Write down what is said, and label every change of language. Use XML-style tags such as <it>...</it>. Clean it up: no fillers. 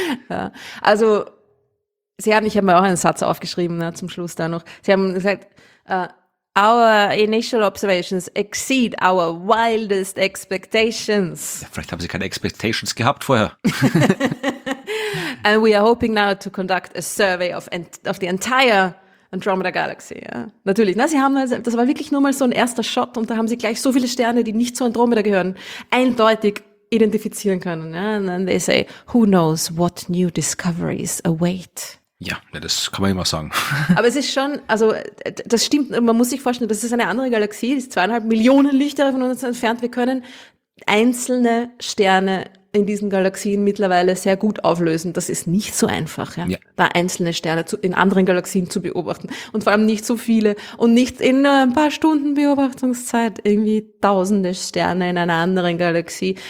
<de>Ja. Also, sie haben, ich habe mir auch einen Satz aufgeschrieben, ne, zum Schluss da noch. Sie haben gesagt,</de> <en>our initial observations exceed our wildest expectations.</en> <de>Ja, vielleicht haben sie keine Expectations gehabt vorher.</de> <en>And we are hoping now to conduct a survey of the entire Andromeda Galaxy, ja.</en> <de>Natürlich, ne, sie haben, das war wirklich nur mal so ein erster Shot und da haben sie gleich so viele Sterne, die nicht zu Andromeda gehören, eindeutig identifizieren können, ja.</de> <en>And then they say, who knows what new discoveries await.</en> <de>Ja, das kann man immer sagen. Aber es ist schon, also das stimmt, man muss sich vorstellen, das ist eine andere Galaxie, die ist 2,5 Millionen Lichtjahre von uns entfernt. Wir können einzelne Sterne in diesen Galaxien mittlerweile sehr gut auflösen. Das ist nicht so einfach, ja. Da einzelne Sterne in anderen Galaxien zu beobachten und vor allem nicht so viele und nicht in nur ein paar Stunden Beobachtungszeit irgendwie tausende Sterne in einer anderen Galaxie.</de>